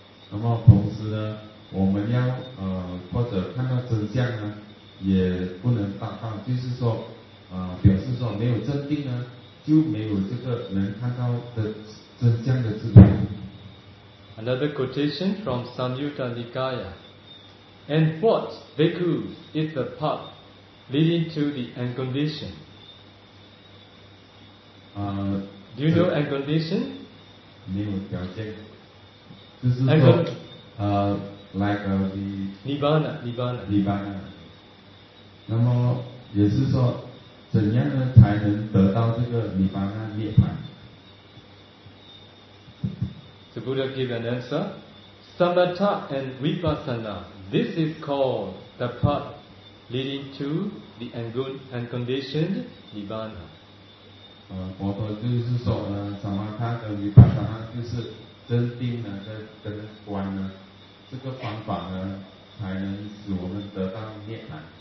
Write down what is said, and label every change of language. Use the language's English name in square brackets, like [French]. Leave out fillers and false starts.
[Chinese] 那么同时呢，我们要或者看到真相呢。也不能大放，就是说，表示说没有真定呢，就没有这个能看到的真相的智慧。 [English] Another quotation from Samyutta Nikaya. And what bhikkhu is the path leading to the unconditioned? Do you know unconditioned? [Chinese] 没有条件，就是说， [English] like the Nibbana. [Chinese] 那么也是说，怎样呢才能得到这个涅槃啊涅槃 [English] ？The Buddha gave an answer: Samatha and Vipassana. This is called the path leading to the unconditioned Nibbana. [Chinese] 佛陀就是说呢 ，Samatha 和 Vipassana 就是真定呢跟观呢，这个方法呢才能使我们得到涅槃。